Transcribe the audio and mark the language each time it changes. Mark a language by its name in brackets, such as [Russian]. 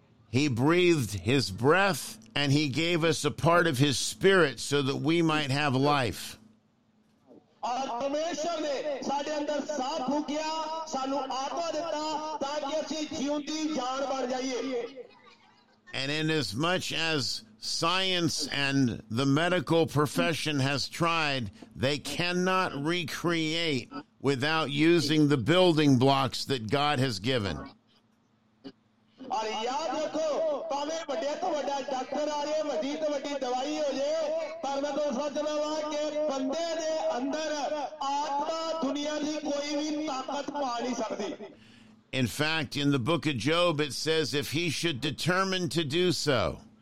[English] He breathed his breath and he gave us a part of his spirit so that we might have life. [Punjabi] ਪਰਮੇਸ਼ਰ ਨੇ ਸਾਡੇ ਅੰਦਰ ਸਾਹ ਫੂਕਿਆ, ਸਾਨੂੰ ਆਤਮਾ ਦਿੱਤਾ ਤਾਂ ਕਿ ਅਸੀਂ ਜਿਉਂਦੀ ਜਾਨ ਬਣ ਜਾਈਏ. [English] And in as much as science and the medical profession has tried, they cannot recreate without using the building blocks that God has given. [Punjabi] ਔਰ ਯਾਦ ਰੱਖੋ ਭਾਵੇਂ ਵੱਡੇ ਤੋਂ ਵੱਡਾ ਡਾਕਟਰ ਆ ਜਾਏ, ਵੱਡੀ ਤੋਂ ਵੱਡੀ ਦਵਾਈ ਹੋ ਜਾਏ, ਪਰ ਮੈਂ ਤਾਂ ਸੋਚਦਾ ਵਾ ਕਿ ਬੰਦੇ ਦੇ ਅੰਦਰ ਆਤਮਾ ਦੁਨੀਆ ਦੀ ਕੋਈ ਵੀ ਤਾਕਤ ਪਾ ਨਹੀਂ ਸਕਦੀ. [English] In fact, in the book of Job, it says if he should determine to do so.